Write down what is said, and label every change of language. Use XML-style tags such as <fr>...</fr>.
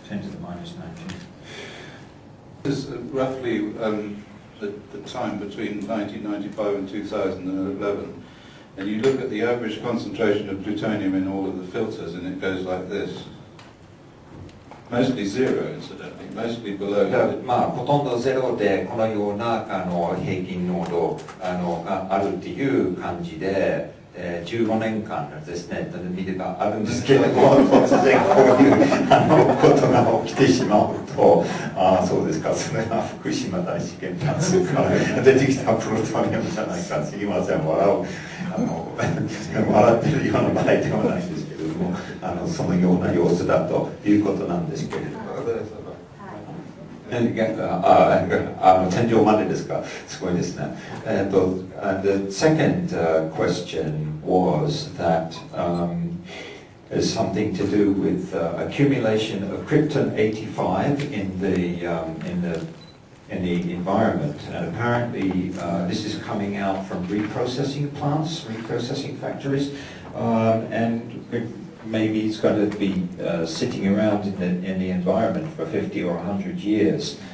<en>10 to the minus 19. This is roughly the time between 1995 and 2011. And you look at the average concentration of plutonium in all of the filters, and it goes like this. Mostly zero, incidentally. Mostly below that.</en> <ja>まあ、ほとんどゼロで、このような平均濃度があるっていう感じで、15年間ですね、見ればあるんですけれども、突然こういうことが起きてしまうと、ああ、そうですか、それが福島大事件なんですか、出てきたプロトニウムじゃないか、すいません、笑ってるような場合ではないんですけれども、そのような様子だということなんですけれども。天井までですか、すごいですね。</ja> <en>And the second question was that is something to do with accumulation of krypton 85 in the environment, and apparently this is coming out from reprocessing factories, and maybe it's going to be sitting around in the environment for 50 or 100 years.</en>